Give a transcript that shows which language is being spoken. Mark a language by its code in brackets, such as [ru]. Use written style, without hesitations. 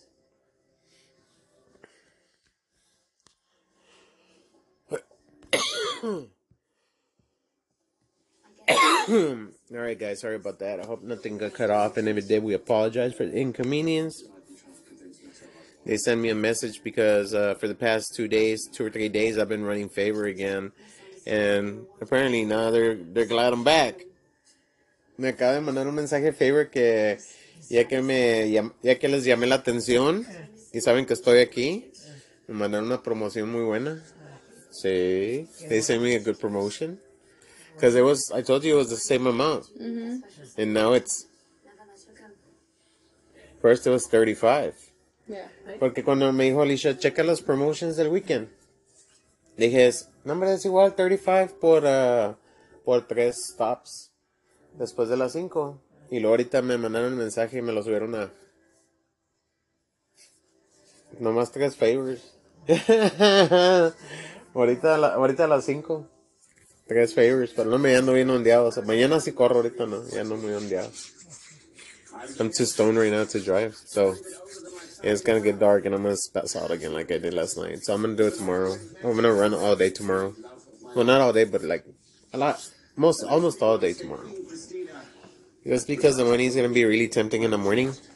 [en] All right, guys. Sorry about that. I hope nothing got cut off. And if it did, we apologize for the inconvenience. They sent me a message because for the past 2 days, 2 or 3 days, I've been running favor again. And apparently now they're glad I'm back. [es] Me acaba de mandar un mensaje favor que... Ya que les llamé la atención y saben que estoy aquí, me mandaron una promoción muy buena. [en] Sí, they sent me a good promotion. Because I told you it was the same amount. Mm-hmm. And now it's... First it was 35. Yeah. [es] Porque cuando me dijo Alicia, checa las promotions del weekend. Dije, nombre es igual, 35 por 3 stops después de las 5. Y luego ahorita me mandaron el mensaje y me lo subieron a... Nomás 3 favors. ahorita a las 5. 3 favors. Pero no, me ando bien ondeado. O sea, mañana sí corro, ahorita no. Ya no muy ondeado. [en] I'm too stoned right now to drive. So, it's gonna get dark and I'm gonna pass out again like I did last night. So, I'm gonna do it tomorrow. I'm gonna run all day tomorrow. Well, not all day, but like a lot. Almost all day tomorrow. Just because the money is going to be really tempting in the morning.